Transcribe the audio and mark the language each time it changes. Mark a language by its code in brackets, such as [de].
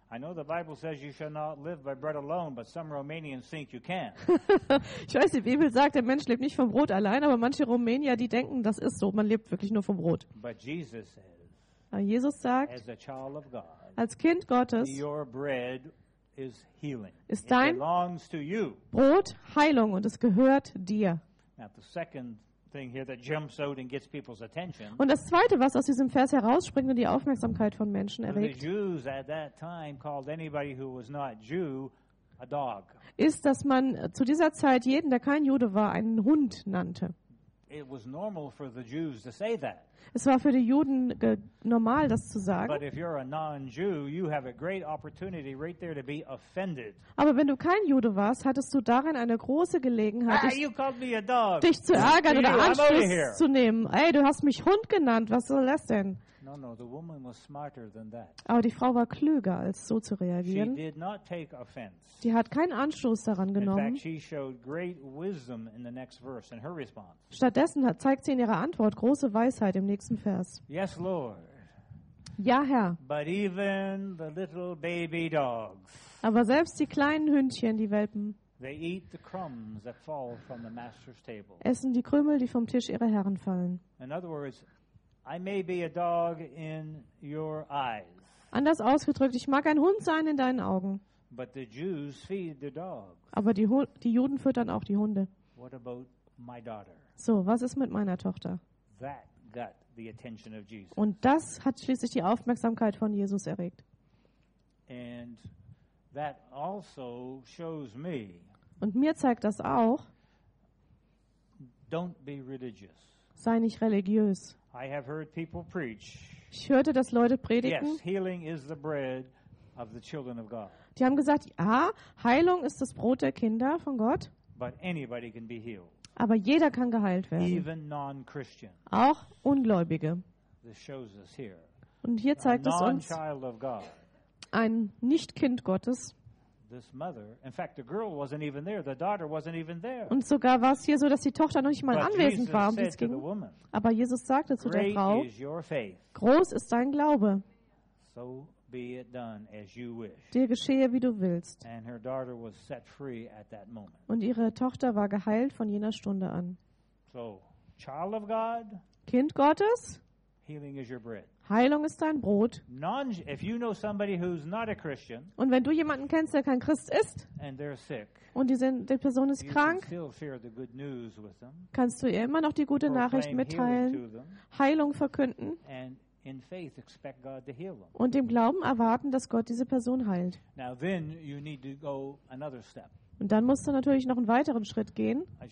[en] I know the Bible says you shall not live by bread alone, but some Romanians think you can. [de] Ich weiß, die Bibel sagt, der Mensch lebt nicht vom Brot allein, aber manche Rumänier, die denken, das ist so, man lebt wirklich nur vom Brot. [en] But Jesus says, [de] aber Jesus sagt, [en] as a child of God, [de] als Kind Gottes, [en] your bread is healing. [de] Ist dein [en] It belongs to you. [de] Brot Heilung und es gehört dir. [en] Now the second thing here that jumps out and gets people's attention. [de] Und das zweite, was aus diesem Vers herausspringt und die Aufmerksamkeit von Menschen erregt. [en] The Jews at that time called anybody who was not Jew a dog. [de] Ist, dass man zu dieser Zeit jeden, der kein Jude war, einen Hund nannte. [en] It was normal for the Jews to say that. [de] Es war für die Juden normal, das zu sagen. [en] But if you're a non-Jew, you have a great opportunity right there to be offended. [de] Aber wenn du kein Jude warst, hattest du darin eine große Gelegenheit, dich zu ärgern oder Anstoß zu nehmen. Ey, du hast mich Hund genannt, was soll das denn? [en] No, the woman was smarter than that. [de] Aber die Frau war klüger, als so zu reagieren. [en] She did not take offense. [de] Die hat keinen Anstoß daran genommen. [en] In fact, she showed great wisdom in the next verse in her response. [de] Stattdessen zeigt sie in ihrer Antwort große Weisheit im nächsten Vers. [en] Yes, Lord. [de] Ja, Herr. [en] But even the little baby dogs, [de] aber selbst die kleinen Hündchen, die Welpen, [en] they eat the crumbs that fall from the master's table. [de] Essen die Krümel, die vom Tisch ihrer Herren fallen. [en] In other words, I may be a dog in your eyes. [de] Anders ausgedrückt, ich mag ein Hund sein in deinen Augen. [en] But the Jews feed the dogs. [de] Aber die Juden füttern auch die Hunde. [en] What about my daughter? [de] So, was ist mit meiner Tochter? [en] That got the attention of Jesus. [de] Und das hat schließlich die Aufmerksamkeit von Jesus erregt. [en] And that also shows me, [de] und mir zeigt das auch, [en] don't be religious. [de] Sei nicht religiös. [en] I have heard people preach. [de] Ich hörte, dass Leute predigten. [en] Yes, healing is the bread of the children of God. [de] Die haben gesagt, ja, Heilung ist das Brot der Kinder von Gott. [en] But anybody can be healed. [de] Aber jeder kann geheilt werden. [en] Even non-Christians. [de] Auch Ungläubige. [en] This shows us here. [de] Und hier zeigt [en] a [de] es uns [en] of God. [de] Ein Nicht-Kind Gottes. [en] This mother, in fact, the girl wasn't even there. The daughter wasn't even there. [de] Und sogar war es hier so, dass die Tochter noch nicht mal anwesend war, um die es ging. Aber Jesus sagte zu der Frau: Groß ist dein Glaube. [en] So be it done as you wish. [de] Dir geschehe, wie du willst. [en] And her daughter was set free at that moment. [de] Und ihre Tochter war geheilt von jener Stunde an. [en] So, child of God. [de] Kind Gottes. [en] Healing is your bread. [de] Heilung ist dein Brot. [en] If you know somebody who's not a Christian, [de] und wenn du jemanden kennst, der kein Christ ist, [en] and they're sick, [de] und die Person ist [en] you [de] krank, [en] can still share the good news with them, [de] kannst du ihr immer noch die gute Nachricht mitteilen, [en] them, [de] Heilung verkünden [en] and in faith expect God to heal them. [de] Und im Glauben erwarten, dass Gott diese Person heilt. [en] Now then you need to go another step. [de] Und dann musst du natürlich noch einen weiteren Schritt gehen.